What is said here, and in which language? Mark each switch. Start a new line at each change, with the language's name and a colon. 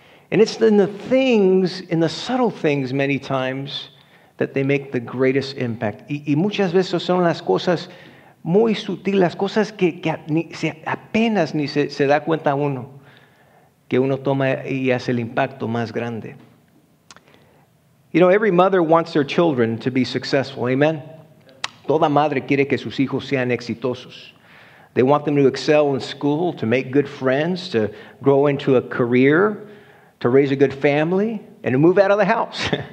English: And it's in the things, in the subtle things many times, that they make the greatest impact.
Spanish: Y muchas veces son las cosas muy sutil, las cosas que apenas se da cuenta uno, que uno toma y hace el impacto más grande.
English: You know, every mother wants their children to be successful, amen?
Spanish: Toda madre quiere que sus hijos sean exitosos.
English: They want them to excel in school, to make good friends, to grow into a career, to raise a good family, and to move out of the house.